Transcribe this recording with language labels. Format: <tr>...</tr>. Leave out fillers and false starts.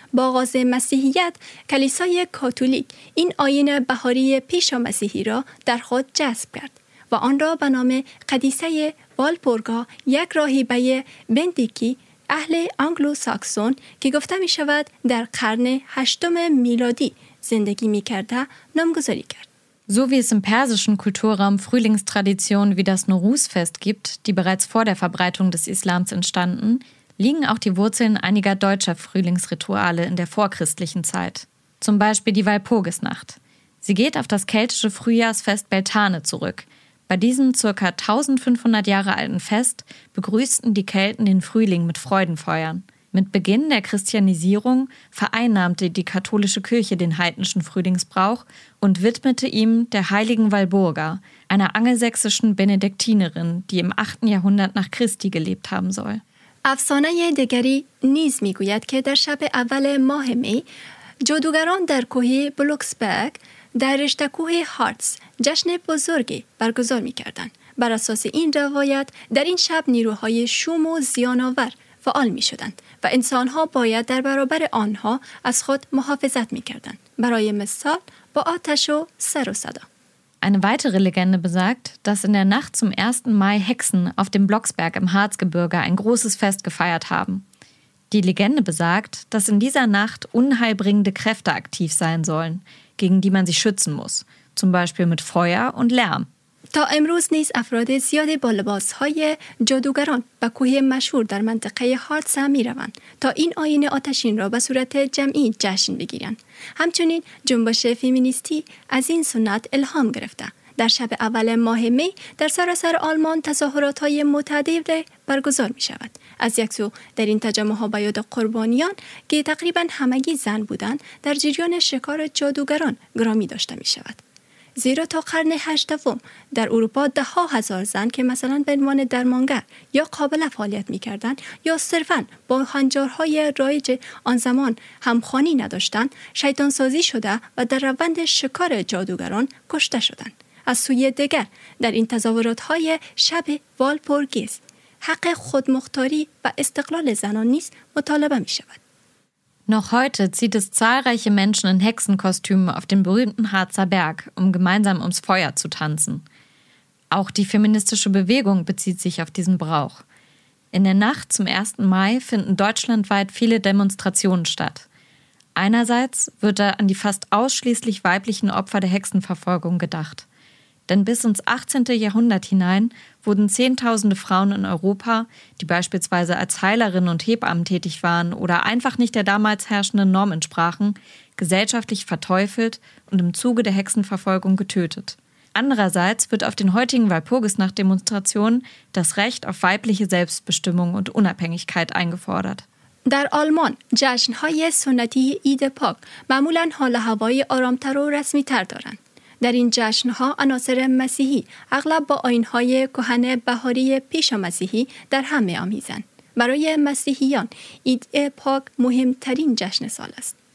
<fa>با آغاز مسیحیت، کلیسای کاتولیک این آیین بهاری پیشا مسیحی را در خود جذب کرد و آن را به نام قدیسه والپورگا یک راهبه بندیکی اهل آنگلو ساکسون که گفته می شود در قرن 8 میلادی زندگی می کرده نامگذاری کرد.</fa> <de>So wie es im persischen Kulturraum Frühlingstraditionen wie das Nowruz-Fest gibt, die bereits vor der Verbreitung des Islams entstanden, liegen auch die Wurzeln einiger deutscher Frühlingsrituale in der vorchristlichen Zeit. Zum Beispiel die Walpurgisnacht. Sie geht auf das keltische Frühjahrsfest Beltane zurück. Bei diesem ca. 1500 Jahre alten Fest begrüßten die Kelten den Frühling mit Freudenfeuern. Mit Beginn der Christianisierung vereinnahmte die katholische Kirche den heidnischen Frühlingsbrauch und widmete ihm der heiligen Walburga, einer angelsächsischen Benediktinerin, die im 8. Jahrhundert nach Christi gelebt haben soll.</de> <fa>افسانه دیگری نیز میگوید که در شب اول ماه می جادوگران در کوه بلوکسبرگ در رشته کوه هارتس جشن بزرگی برگزار می‌کردند. بر اساس این روایت در این شب نیروهای شوم و زیان‌آور و فعال می شدند و انسان ها باید در برابر آنها از خود محافظت می کردند. برای مثال با آتش و سر و صدا.</fa> <de>Eine weitere Legende besagt, dass in der Nacht zum 1. Mai Hexen auf dem Blocksberg im Harzgebirge ein großes Fest gefeiert haben. Die Legende besagt, dass in dieser Nacht unheilbringende Kräfte aktiv sein sollen, gegen die man sich schützen muss, zum Beispiel mit Feuer und Lärm.</de> <fa>تا امروز نیز افراد زیادی با لباس‌های جادوگران با کوه مشهور در منطقه هارتس می‌روند تا این آیین آتشین را به صورت جمعی جشن بگیرند. همچنین جنبش فیمینیستی از این سنت الهام گرفته. در شب اول ماه می در سراسر آلمان تظاهرات‌های متعدد برگزار می‌شود. از یک سو در این تجمع‌ها به یاد قربانیان که تقریباً همگی زن بودند در جریان شکار جادوگران گرامی داشته می‌شود. زیرا تا قرن 18 در اروپا ده ها هزار زن که مثلا به عنوان درمانگر یا قابله فعالیت می کردن یا صرفا با هنجارهای رایج آن زمان همخوانی نداشتند، شیطان سازی شده و در روند شکار جادوگران کشته شدند. از سوی دیگر در این تظاهرات های شب والپورگیز حق خودمختاری و استقلال زنان نیز مطالبه می شود.</fa> <de>Noch heute zieht es zahlreiche Menschen in Hexenkostümen auf den berühmten Harzer Berg, um gemeinsam ums Feuer zu tanzen. Auch die feministische Bewegung bezieht sich auf diesen Brauch. In der Nacht zum 1. Mai finden deutschlandweit viele Demonstrationen statt. Einerseits wird da an die fast ausschließlich weiblichen Opfer der Hexenverfolgung gedacht. Denn bis ins 18. Jahrhundert hinein wurden Zehntausende Frauen in Europa, die beispielsweise als Heilerinnen und Hebammen tätig waren oder einfach nicht der damals herrschenden Norm entsprachen, gesellschaftlich verteufelt und im Zuge der Hexenverfolgung getötet. Andererseits wird auf den heutigen Walpurgisnacht-Demonstrationen das Recht auf weibliche Selbstbestimmung und Unabhängigkeit eingefordert.</de> <fa>در آلمان جشن‌های سنتی عید پاک معمولاً حال هوای آرام‌تر و رسمی‌تر دارند. در این جشن‌ها عناصر مسیحی اغلب با آیین‌های کهن بهاری پیش مسیحی در هم می‌آمیزند. برای مسیحیان عید پاک مهمترین جشن سال است.</fa>